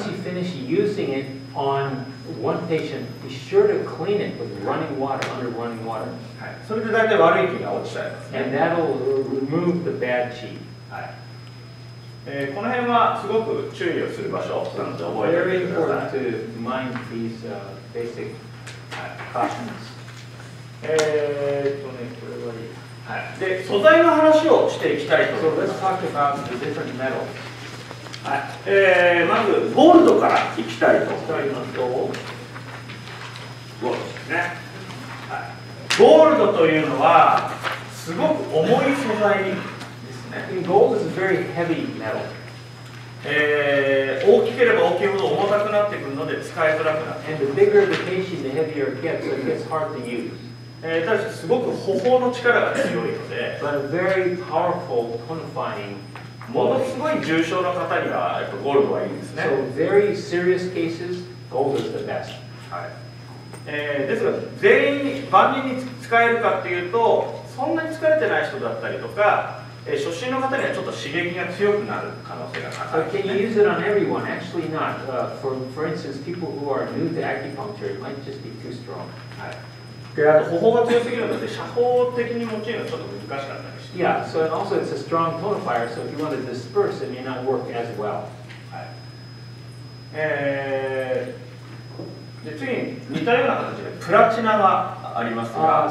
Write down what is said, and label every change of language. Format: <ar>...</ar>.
<en>Once you finish using it on one patient, be sure to clean it with running water, under running water.</en> <ja>はい。それで大体悪い菌が落ちちゃいます、ね。</ja> <en>And that'll remove the bad 菌。</en> <ja>はい。この辺はすごく注意をする場所なので覚えてください。</ja> <en>Very important to mind these basic cautions.</en> <ja>これはいい。はい、で素材の話をしていきたいと思います。</ja> <en>So let's talk about the different metals.</en> <ja>はい、まずゴールドからいきたいと思います。ゴールドですね、はい、ゴールドというのはすごく重い素材ですね。</ja> <en>Gold is a very heavy metal.</en> <ja>大きければ大きいほど重たくなってくるので使いづらくなる。</ja> <en>And the bigger the patient, the heavier it gets, so it gets hard to use.</en> <ja>ただしすごく歩法の力が強いので</ja> <en>But a very powerful tonifying</en> <ja>ものすごい重症の方にはやっぱゴールドはいいですね。</ja> <en>So very serious cases, gold is the best、</en> <ja>はい、ですが全員に万人に使えるかっていうとそんなに疲れてない人だったりとか、初心の方にはちょっと刺激が強くなる可能性が高いですね。</ja> <en>But can you use it on everyone? Actually not. For instance, people who are new to acupuncture, it might just be too strong.</en> <ja>はい、であと歩法が強すぎるので斜方的に用いるのはちょっと難しかったりして。</ja> <en>Yeah, so and also it's a strong tonifier, so if you want to disperse, it may not work as well.</en> <ja>はい。で次に似たような形でプラチナがありますが、</ja>